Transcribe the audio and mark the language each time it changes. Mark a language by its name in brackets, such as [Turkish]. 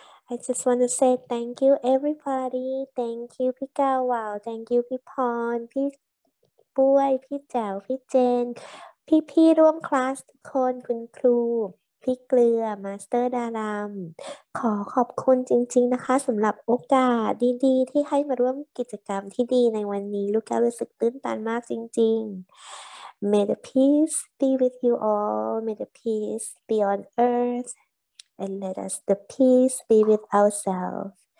[English] I just want to say thank you everybody. Thank you [Thai] พี่ก้าวาว Thank you พี่พรพี่ป้วยพี่แจ๋วพี่เจนพี่พี่ร่วมคลาสทุกคนคุณครูพี่เกลือมาสเตอร์ดารามขอขอบคุณจริงๆนะคะสำหรับโอกาสดีๆที่ให้มาร่วมกิจกรรมที่ดีในวันนี้ลูกก้าวรู้สึกตื้นตันมากจริงๆ [English] May the peace be with you all. May the peace be on earth. And let us the peace be with ourselves.